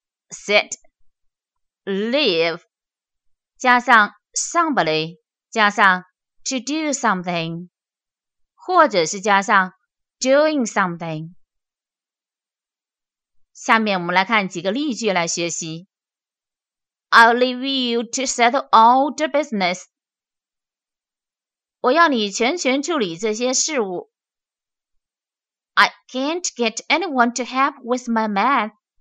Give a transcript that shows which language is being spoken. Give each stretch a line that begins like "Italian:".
Chinese: set, leave, 加上 somebody, 加上
English: to do something,
Chinese: 或者是加上
English: doing something。
Chinese: 下面我们来看几个例句来学习。
English: I'll leave you to settle all the business.
Chinese: 我要你全权处理这些事务。
English: I can't get anyone to help with my math.